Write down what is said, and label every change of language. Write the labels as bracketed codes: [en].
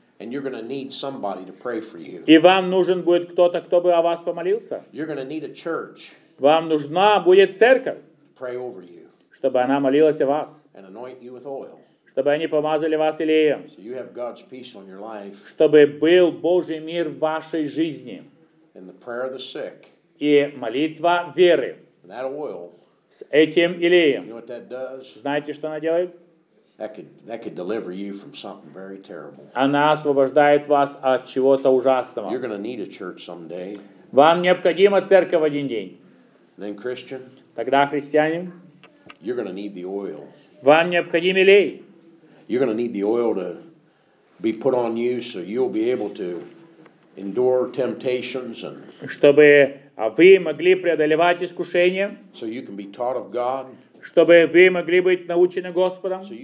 [en] And you're going to need somebody to pray for you. [ru] И вам нужен будет кто-то, кто бы о вас помолился. [en] You're going to need a church. [ru] Вам нужна будет церковь. [en] Pray over you. [ru] Чтобы она молилась о вас. [en] And anoint you with oil. [ru] Чтобы они помазали вас елеем. [en] So you have God's peace on your life. [ru] Чтобы был Божий мир в вашей жизни. [en] And the prayer of the sick. [ru] И молитва веры. [en] And that oil. [ru] С этим елеем. [en] You know what that does? [ru] Знаете, что она делает? [en] That could deliver you from something very terrible. [ru] Она освобождает вас от чего-то ужасного. [en] You're going to need a church someday. [ru] Вам необходима церковь один день. [en] Then Christian. [ru] Тогда христианин. [en] You're going to need the oil. [ru] Вам необходим елей. [en] You're going to need the oil to be put on you, so you'll be able to endure temptations and. [ru] Чтобы вы могли преодолевать искушения. [en] So you can be taught of God. [ru] Чтобы вы могли быть научены Господом.